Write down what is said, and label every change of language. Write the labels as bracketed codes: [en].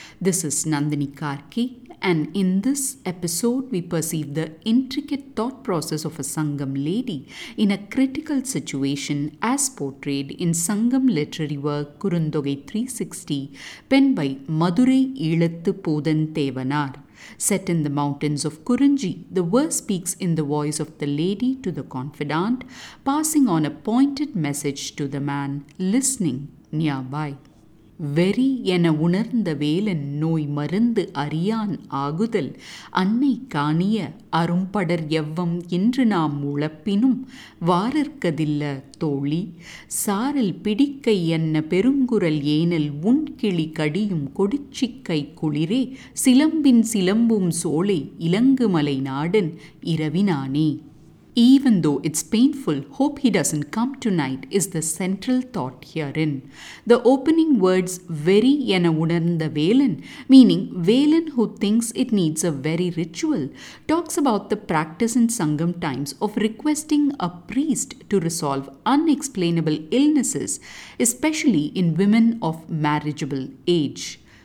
[en] This is Nandini Karki, and in this episode we perceive the intricate thought process of a Sangam lady in a critical situation as portrayed in Sangam literary work Kurundogai 360, penned by Madurai Ilathu Poodan Thevanar. Set in the mountains of Kurunji, the verse speaks in the voice of the lady to the confidant, passing on a pointed message to the man listening nearby. [ta] வெறி என உணர்ந்த வேலன் நோய் மருந்து அறியான் ஆகுதல் அன்னை காணிய அரும்படர் எவ்வம் இன்று நாம் உழப்பினும் வாரற்கதில்ல தோழி சாரல் பிடிக்கை என்ன பெருங்குரல் ஏனல் உன் கிளி கடியும் கொடிச்சிக்கை குளிரே சிலம்பின் சிலம்பும் சோலை இலங்குமலை நாடன் இரவினானே. [en] Even though it's painful, hope he doesn't come tonight is the central thought herein. The opening words, [ta] veri yena unarndha velan, [en] meaning velan who thinks it needs a very ritual, talks about the practice in Sangam times of requesting a priest to resolve unexplainable illnesses, especially in women of marriageable age.